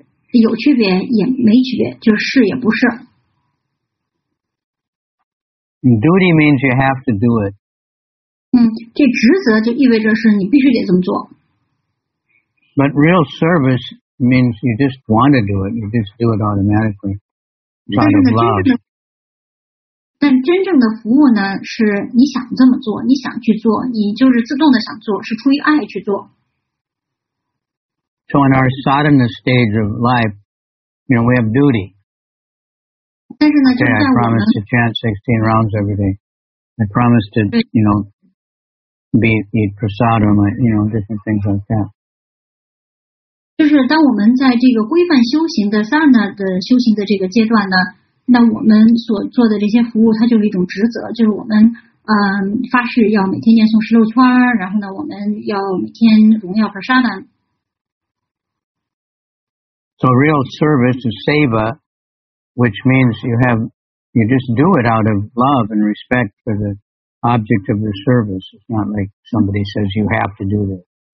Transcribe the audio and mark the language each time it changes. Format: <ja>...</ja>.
<zh>有区别也没区别，就是是也不是。</zh> <en>Duty means you have to do it.</en> <zh>这职责就意味着是你必须得这么做。</zh> <en>But real service means you just want to do it, you just do it automatically.</en> <zh>But 真正的服务呢，是你想这么做，你想去做，你就是自动的想做，是出于爱去做。</zh> <en>So in our sadhana stage of life, you know, we have duty. Okay, I promise to chant 16 rounds every day. I promise to, you know, eat prasad or my, you know, different things like that.</en> <zh>就是当我们在这个规范修行的 sadhana 的修行的这个阶段呢，那我们所做的这些服务它就是一种职责，就是我们发誓要每天念诵十六圈，然后呢我们要每天荣耀 prasad。</zh> <en>So real service is seva, which means you just do it out of love and respect for the object of the service. It's not like somebody says you have to do this.</en>